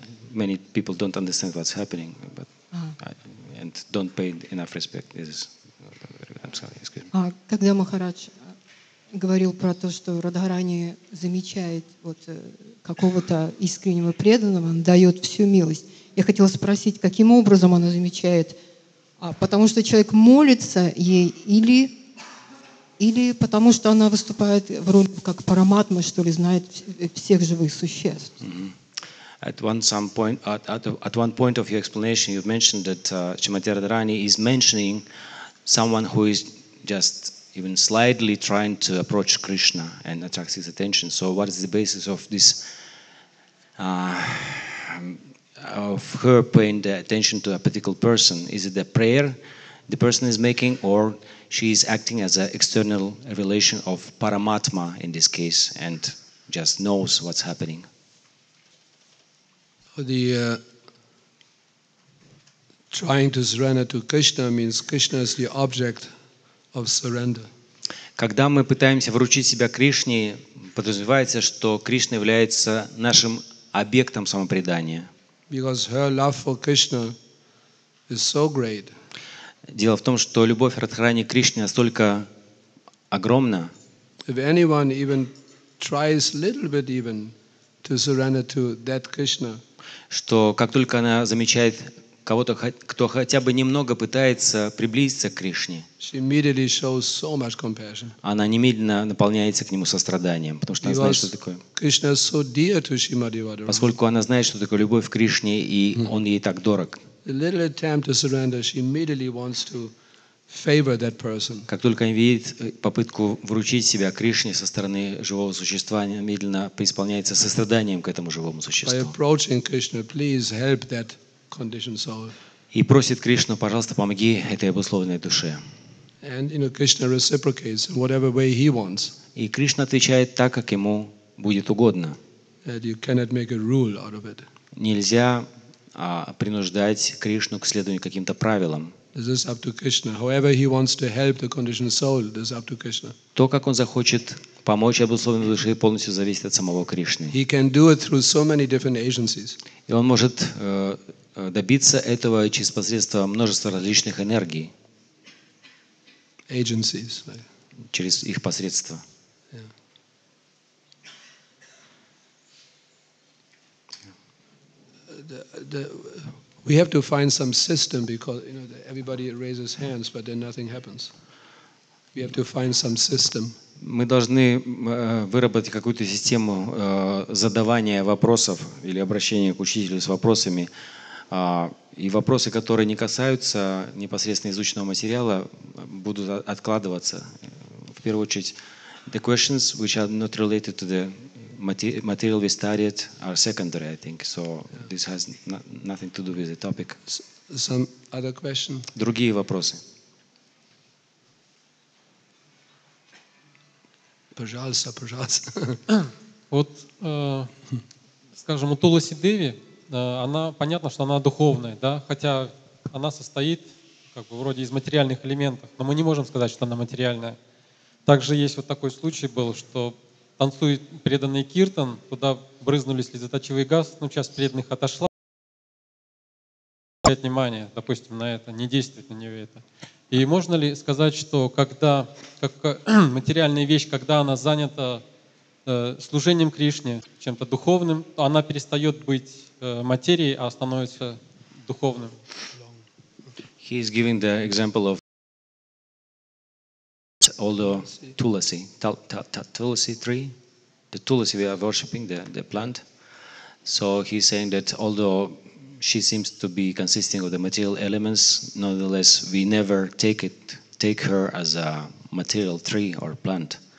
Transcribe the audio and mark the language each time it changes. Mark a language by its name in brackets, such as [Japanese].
[English] Many people don't understand what's happening, but and don't pay enough respect. This is, I'm sorry, excuse me. [Russian] Когда Махарадж говорил про то, что Радхарани замечает вот какого-то искреннего преданного, он дает всю милость. Я хотела спросить, каким образом она замечает? Потому что человек молится ей или потому что она выступает в роли как параматма, что ли, знает всех живых существ? Mm-hmm. [English] At one point of your explanation, you've mentioned that Shrimati Radharani is mentioning someone who is just even slightly trying to approach Krishna and attract his attention. So what is the basis of this, of her paying the attention to a particular person? Is it the prayer the person is making, or she is acting as an external relation of Paramatma in this case and just knows what's happening? Trying to surrender to Krishna means Krishna is the object of surrender. [Russian] Когда мы пытаемся вручить себя Кришне, подразумевается, что Кришна является нашим объектом самопредания. [English] Because her love for Krishna is so great. [Russian] Дело в том, что любовь Радхарани к Кришне настолько огромна. [English] If anyone even tries little bit even to surrender to that Krishna, [Russian] что как только она замечает кого-то, кто хотя бы немного пытается приблизиться к Кришне, [English] she immediately shows so much compassion. [Russian] Она немедленно наполняется к нему состраданием, потому что она знает, что такое. [English] Krishna is so dear to Srimati Radharani. [Russian] Поскольку она знает, что такое любовь к Кришне, и он ей так дорог. [English] A little attempt to surrender, she immediately wants to favor that person. [Russian] Как только она видит попытку вручить себя Кришне со стороны живого существа, она медленно преисполняется состраданием к этому живому существу. [English] By approaching Krishna, please help that conditioned soul. [Russian] И просит Кришну, пожалуйста, помоги этой обусловленной душе. [English] And you know, Krishna reciprocates in whatever way he wants. [Russian] И Кришна отвечает так, как ему будет угодно. [English] And you cannot make a rule out of it. [Russian] Нельзя принуждать Кришну к следованию каким-то правилам. [English] This is up to Krishna. However he wants to help the conditioned soul, this is up to Krishna. [Russian] То, как он захочет помочь обусловленной душе, полностью зависит от самого Кришны. [English] He can do it through so many different agencies. [Russian] И он может добиться этого через посредство множества различных энергий. [English] Agencies. Right? [Russian] Через их посредство. [English] We have to find some system because you know everybody raises hands but then nothing happens. We have to find some system. [Russian] Мы должны выработать какую-то систему задавания вопросов или обращения к учителю с вопросами. И вопросы, которые не касаются непосредственно изученного материала, будут откладываться. В первую очередь, [English] the questions which are not related to the material we studied are secondary, I think. So this has nothing to do with the topic. Some other question? [Russian] Другие вопросы. Пожалуйста, пожалуйста. Вот, скажем, у Туласи Деви, она, понятно, что она духовная, да, хотя она состоит как бы вроде из материальных элементов, но мы не можем сказать, что она материальная. Также есть вот такой случай был, что танцует преданный киртан, туда брызнули слезоточивый газ, ну, часть преданных отошла, обращает внимание, допустим, на это, не действует на нее это. И можно ли сказать, что когда, как материальная вещь, когда она занята служением Кришне, чем-то духовным, то она перестает быть материи, а становится духовным. [English] He is giving the example of although tulasi, tulasi tree, the tulasi we are worshipping, the plant. So he is saying that although she seems to be consisting of the material elements, nonetheless we never take her as a material tree or plant.